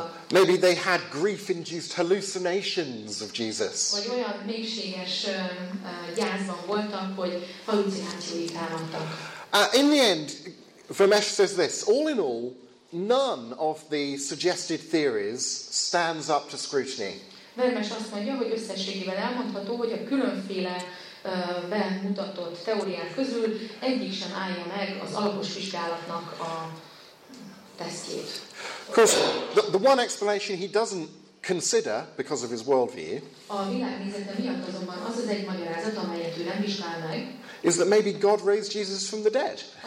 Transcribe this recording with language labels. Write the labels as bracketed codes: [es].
[en] Maybe they had grief-induced hallucinations of Jesus. In the end, Vermesh says this, all in all, none of the suggested theories stands up to scrutiny. [hu] Vermes azt mondja, hogy összességében elmondható, hogy a különféle bemutatott teóriák közül egyik sem állja meg az alapos vizsgálatnak a tesztjét. [en] Of course, the one explanation he doesn't consider because of his worldview. [hu] A világnézete miatt azonban az az egy magyarázat, amelyet ő nem vizsgál meg. [en] Is that maybe God raised Jesus from the dead.